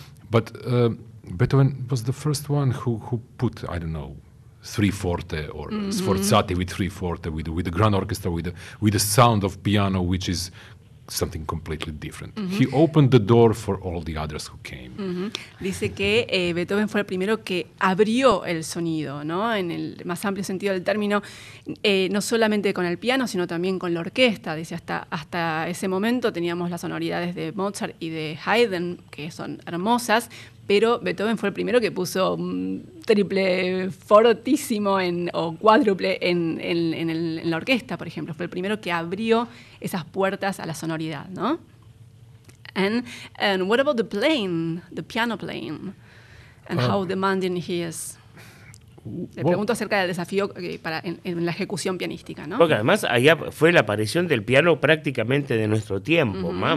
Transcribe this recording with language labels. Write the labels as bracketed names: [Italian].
[English] But Beethoven was the first one who put, I don't know, three forte or mm-hmm. sforzati with three forte, with the grand orchestra, with the sound of piano, which is something completely different. Mm-hmm. He opened the door for all the others who came. Mm-hmm. [Spanish] Dice que Beethoven fue el primero que abrió el sonido, ¿no? En el más amplio sentido del término, no solamente con el piano, sino también con la orquesta. Dice, hasta ese momento teníamos las sonoridades de Mozart y de Haydn, que son hermosas, pero Beethoven fue el primero que puso triple fortísimo o cuádruple en la orquesta, por ejemplo. Fue el primero que abrió esas puertas a la sonoridad, ¿no? [English] And what about the playing, the piano playing, and how demanding he is? [Spanish] Le pregunto acerca del desafío para en la ejecución pianística, ¿no? Porque además allá fue la aparición del piano prácticamente de nuestro tiempo, mm-hmm.